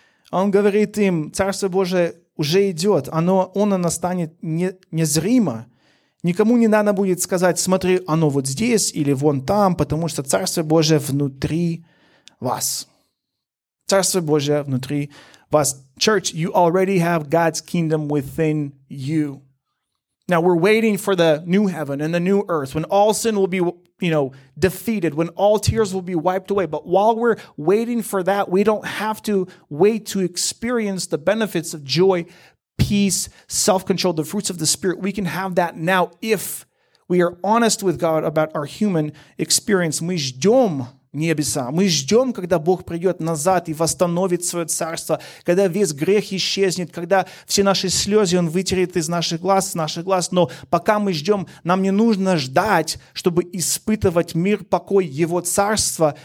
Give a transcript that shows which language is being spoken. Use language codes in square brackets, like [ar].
[ru] Он говорит им, Царство Божие уже идет, оно настанет незримо. Никому не надо будет сказать, смотри, оно вот здесь или вон там, потому что Царство Божие внутри вас. Царство Божие внутри вас. [en] Church, you already have God's kingdom within you. Now we're waiting for the new heaven and the new earth when all sin will be, you know, defeated, when all tears will be wiped away. But while we're waiting for that, we don't have to wait to experience the benefits of joy, peace, self-control, the fruits of the Spirit. We can have that now if we are honest with God about our human experience. [ru] Мы ждем небеса. Мы ждем, когда Бог придет назад и восстановит свое царство, когда весь грех исчезнет, когда все наши слезы Он вытерет из наших глаз, Но пока мы ждем, нам не нужно ждать, чтобы испытывать мир, покой Его царства.